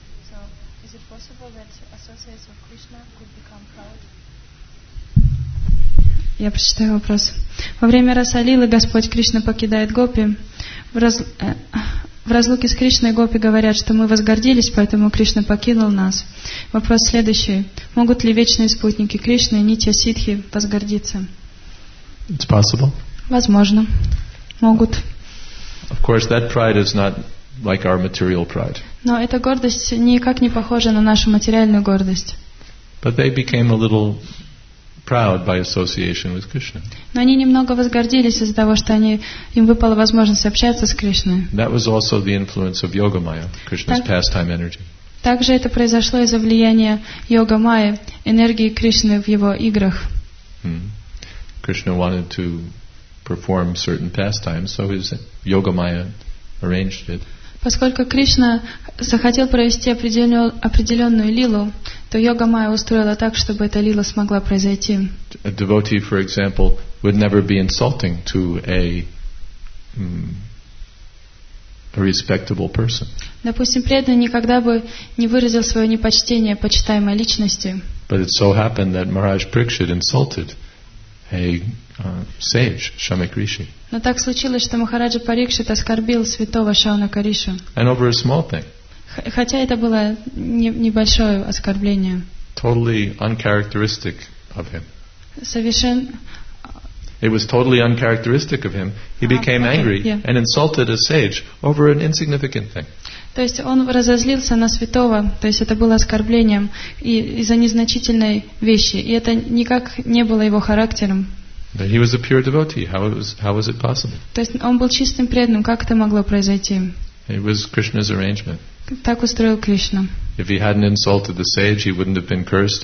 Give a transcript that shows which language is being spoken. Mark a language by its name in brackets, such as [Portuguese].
[English] So is it possible that associates of Krishna could become proud? [Russian] Я прочитаю вопрос. Во время Расалилы Господь Кришна покидает гопи. В разлуке с Кришной гопи говорят, что мы возгордились, поэтому Кришна покинул нас. Вопрос следующий. Могут ли вечные спутники Кришны, нитья ситхи, возгордиться? [English] It's possible. [Russian] Возможно. Могут. [English] Of course, that pride is not like our material pride. [Russian] Но эта гордость никак не похожа на нашу материальную гордость. [English] But they became a little proud by association with Krishna. [Russian] Но они немного возгордились из-за того, что они им выпала возможность общаться с Кришной. [English] That was also the influence of Yoga Maya, Krishna's pastime energy. [Russian] Также это произошло из-за влияния Йога Майи, энергии Кришны в его играх. [English] Krishna wanted to perform certain pastimes, so his Yoga Maya arranged it. [Russian] Поскольку Кришна захотел провести определенную лилу, то Йога Майя устроила так, чтобы эта лила смогла произойти. [English] A devotee, for example, would never be insulting to a respectable person. [Russian] Допустим, преданный никогда бы не выразил свое непочтение почитаемой личности. [English] But it so happened that Maharaj Parikshit insulted a sage, Shamik Rishi. [Russian] Но так случилось, что Махараджа Парикшит оскорбил святого Шаунака Ришу. [English] And over a small thing. [Russian] Хотя это было небольшое оскорбление. [English] Totally uncharacteristic of him. [Russian] Совершен... [English] It was totally uncharacteristic of him. He became angry and insulted a sage over an insignificant thing. [Russian] То есть он разозлился на святого, то есть это было оскорблением и из-за незначительной вещи, и это никак не было его характером. [English] But he was a pure devotee. How was it possible? [Russian] То есть он был чистым преданным. Как это могло произойти? [English] It was Krishna's arrangement. [Russian] Так устроил Кришна. [English] If he hadn't insulted the sage, he wouldn't have been cursed.